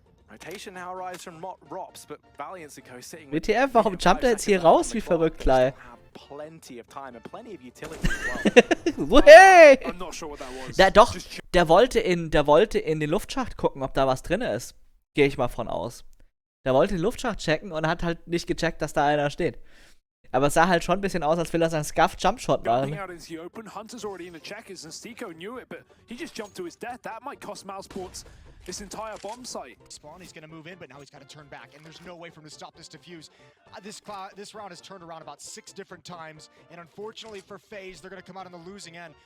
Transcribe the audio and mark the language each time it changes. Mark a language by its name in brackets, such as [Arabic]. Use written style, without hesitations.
[English] Rotation now arrives from Rops, but Valiant & Co. sitting with... [German] WTF, warum jumpt er jetzt hier raus wie verrückt, Kleid? [English] Plenty of time and plenty of utility. Woohey! I'm not sure what that was. [German] Da, doch, der wollte in den Luftschacht gucken, ob da was drin ist. Gehe ich mal von aus. Der wollte den Luftschacht checken und hat halt nicht gecheckt, dass da einer steht. Aber es sah halt schon ein bisschen aus, als will er seinen Scuff Jumpshot machen. [English] Hunter's already in the checkers and Stiko knew it, but he just jumped to his death. That might cost Mouseports this entire bomb site. Spawn, he's going to move in, but now he's got to turn back, and there's no way for him to stop this defuse. This round has turned around about six different times, and unfortunately for FaZe, they're going to come out on the losing end.